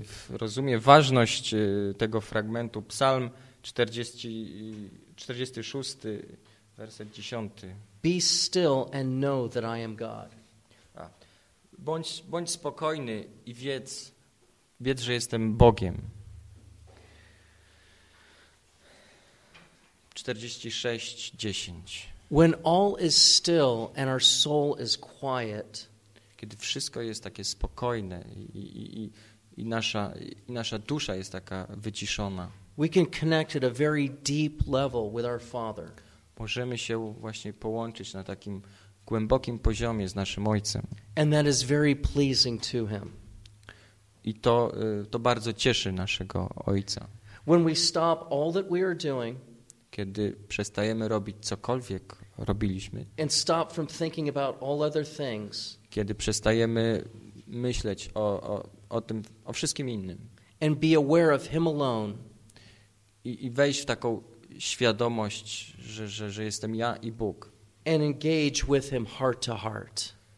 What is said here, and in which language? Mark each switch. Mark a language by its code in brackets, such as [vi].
[pl] Rozumiem ważność tego fragmentu. Psalm 46, werset 10. [en] Be still and know that I am God. [pl] Bądź spokojny i wiedz, że jestem Bogiem. 46:10. [en] When all is still and our soul is quiet. [pl] Kiedy wszystko jest takie spokojne i nasza dusza jest taka wyciszona. [en] We can connect at a very deep level with our Father. [pl] Możemy się właśnie połączyć na takim głębokim poziomie z naszym Ojcem. [en] And that is very pleasing to Him. [pl] I to bardzo cieszy naszego Ojca. [en] When we stop all that we are doing, [pl] kiedy przestajemy robić cokolwiek robiliśmy, [en] and stop from thinking about all other things, [pl] kiedy przestajemy myśleć o tym wszystkim innym, [en] and be aware of Him alone, [pl] i wejść w taką świadomość, że jestem ja i Bóg, [en] and engage with Him heart to heart,